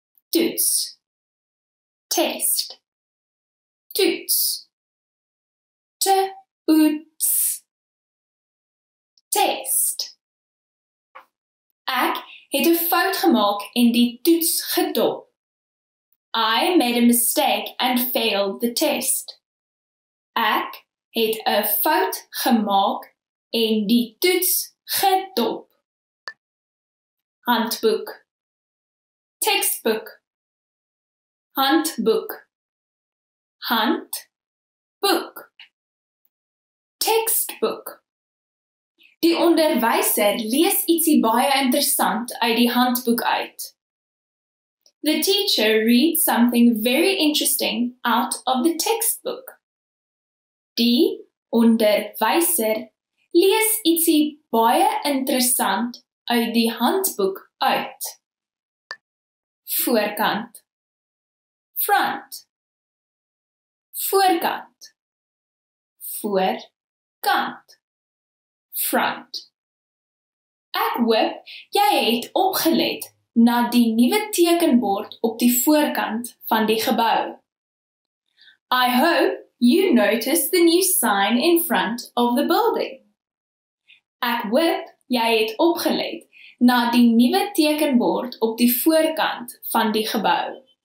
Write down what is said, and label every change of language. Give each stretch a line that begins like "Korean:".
Afrikaans: Toets.
English: Test.
Afrikaans: Toets. Toets.
English: Test.
Afrikaans: Ek het 'n fout gemaak en die toets gedop.
English: I made a mistake and failed the test.
Afrikaans: Ek het 'n fout gemaak en die toets gedop. Handboek. Textbook. Handboek. Handboek. Textbook. Die onderwyser lees ietsie baie interessant uit die handboek uit.
English: The teacher reads something very interesting out of the textbook.
Afrikaans: Die onderwyser lees ietsie baie interessant uit die handboek uit. Voorkant. Front. Voorkant. Voorkant. Front. Ek hoop jy het opgelet na die nuwe tekenbord op die voorkant van die gebou.
English: I hope you notice the new sign in front of the building.
Afrikaans: Ek hoop jy het opgelet na die nuwe tekenbord op die voorkant van die gebou.